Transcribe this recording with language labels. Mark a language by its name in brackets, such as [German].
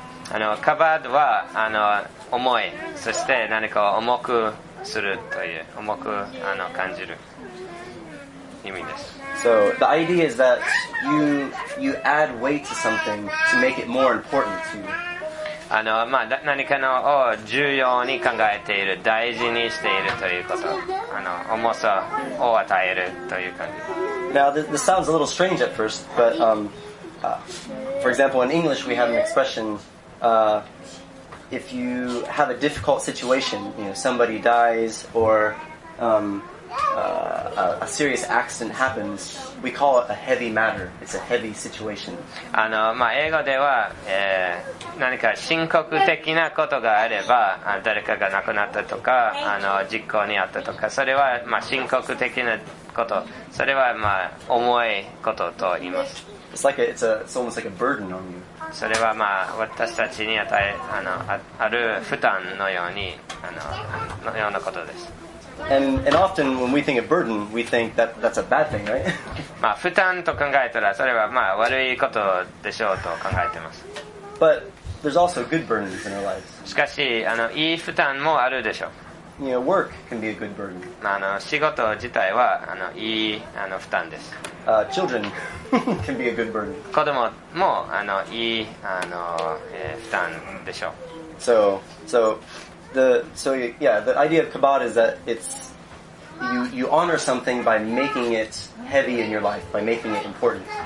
[Japanese] Kabad は重い、そして何かを重くするという、重く感じる意味です。 [English] So the idea is that you add weight to something to make it more important to you. [Japanese] まあ、何かのを重要に考えている、大事にしているということ。重さを与えるという感じ。 [English] Now this sounds a little strange at first, but for example in English we have an expression, if you have a difficult situation, somebody dies or a serious accident happens, we call it a heavy matter. It's a heavy situation. [Japanese] まあ、英語では、何か深刻的なことがあれば、誰かが亡くなったとか、実行にあったとか、それは、まあ、深刻的なこと、それは、まあ、重いことと言います。 [English] It's like it's almost like a burden on you. [Japanese] それは、まあ、私たちに与え、ある負担のように、のようなことです。 [English] And often when we think of burden, we think that that's a bad thing, right? [Japanese] まあ負担と考えたらそれはまあ悪いことでしょうと考えてます。 [English] But there's also good burdens in our lives. [Japanese] しかしいい負担もあるでしょう。 [English] You know, work can be a good burden. [Japanese] まあ仕事自体はいい負担です。 [English] Children can be a good burden. [Japanese] 子供もいい負担でしょう。 [English] The idea of kabad is that it's you honor something by making it heavy in your life, by making it important.